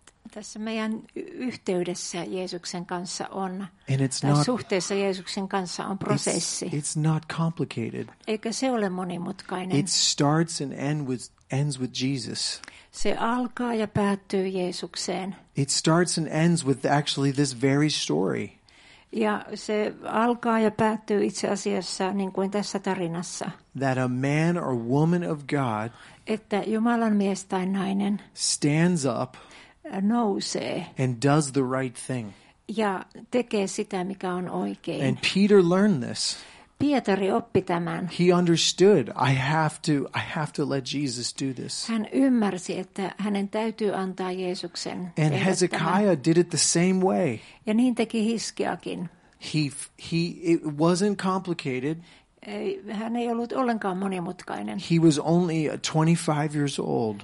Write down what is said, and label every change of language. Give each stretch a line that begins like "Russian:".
Finnish: Tässä meidän yhteydessä Jeesuksen kanssa on, suhteessa Jeesuksen kanssa on prosessi.
English: It's not complicated.
Finnish: Eikä se ole monimutkainen.
English: It starts and ends with Jesus.
Finnish: Se alkaa ja päättyy Jeesukseen.
English: It starts and ends with actually this very story.
Finnish: Ja se alkaa ja päättyy itse asiassa niin kuin tässä tarinassa.
English: That a man or woman of God,
Finnish: että Jumalan mies tai nainen,
English: stands up
Finnish: nousee
English: and does the right thing.
Finnish: ja tekee sitä, mikä on oikein.
English: And Peter learned this.
Finnish: Pietari oppi tämän.
English: He understood, I have to let Jesus do this.
Finnish: Hän ymmärsi, että hänen täytyy antaa Jeesuksen.
English: And Hezekiah did it the same way.
Finnish: Ja niin teki Hiskiakin.
English: He it wasn't complicated.
Finnish: Hän ei ollut ollenkaan monimutkainen.
English: He was only 25 years old.